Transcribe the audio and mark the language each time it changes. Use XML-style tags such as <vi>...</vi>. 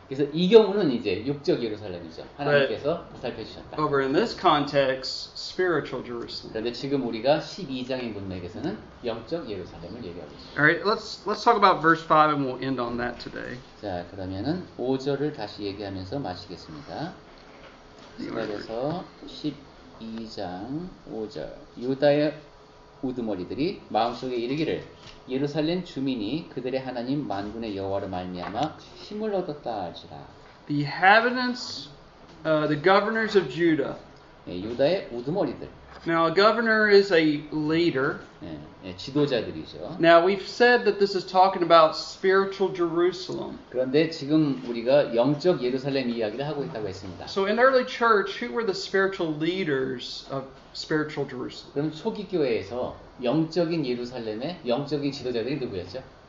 <ko>그래서 이 경우는 이제 육적 예루살렘이죠. 하나님께서 보살펴 주셨다.</ko> <en>Over in this context, spiritual Jerusalem.</en> <ko>그런데 지금 우리가 12장의 문맥에서는 영적 예루살렘을 얘기하고 있습니다.</ko> <en>All right, let's talk about verse 5 and we'll end on that today.</en> <ko>자, 그러면은 5절을 다시 얘기하면서 마치겠습니다. 그래서 12장 5절. 유다의 우두머리들이 마음속에 이르기를 예루살렘 주민이 그들의 하나님 만군의 여호와로 말미암아 힘을 얻었다 하지라.</ko> <en>The inhabitants, the governors of Judah.</en> <ko>예, 유다의 우두머리들.</ko> <en>Now a governor is a leader.</en> <ko>예, 예, 지도자들이죠.</ko> <en>Now we've said that this is talking about spiritual Jerusalem.</en> <ko>그런데 지금 우리가 영적 예루살렘 이야기를 하고 있다고 했습니다.</ko> <en>So in early church, who were the spiritual leaders of spiritual Jerusalem?</en> <ko>그럼 초기 교회에서 영적인 예루살렘의 영적인 지도자들이 누구였죠?</ko>